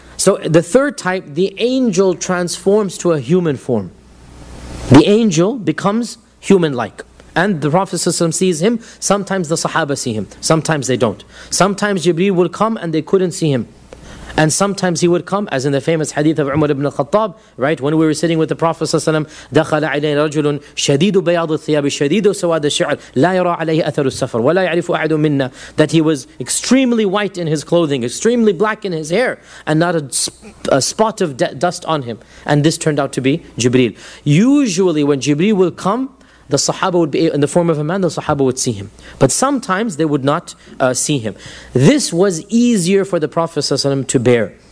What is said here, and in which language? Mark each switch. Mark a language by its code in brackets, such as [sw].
[en] So the third type, the angel transforms to a human form. The angel becomes human-like. And the Prophet ﷺ sees him, sometimes the Sahaba see him, sometimes they don't. Sometimes Jibreel will come and they couldn't see him. And sometimes he would come, as in the famous hadith of Umar ibn al-Khattab, right? When we were sitting with the Prophet ﷺ, [ar] دَخَلَ عَلَيْنَ رَجُلٌ شَدِيدُ بَيَاضُ الثِّيَابِ شَدِيدُ سَوَادَ الشِّعْرِ لَا يَرَى عَلَيْهِ أَثَرُ السَّفَرِ وَلَا يَعْرِفُ أَعْدُ مِنَّا. [en] That he was extremely white in his clothing, extremely black in his hair, and not a spot of dust on him. And this turned out to be Jibreel. Usually when Jibreel will come, the Sahaba would be in the form of a man, the Sahaba would see him. But sometimes they would not see him. This was easier for the Prophet ﷺ to bear.